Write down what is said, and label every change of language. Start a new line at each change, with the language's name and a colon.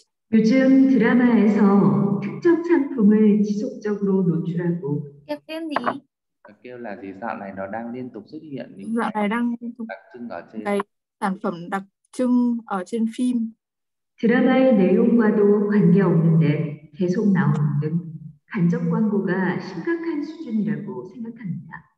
Korean: Dùm drama 에서 특정 상품을 지속적으로 노출하고.
Vietnamese: Kêu tên gì? Kêu là gì? Dạo này nó đang liên tục xuất hiện. Dạo này đang liên tục. Đặc trưng ở trên. Đây, sản phẩm đặc trưng ở trên phim.
Korean: 드라마의 내용과도 관계없는데 계속 나오는 등 간접 광고가 심각한 수준이라고 생각합니다.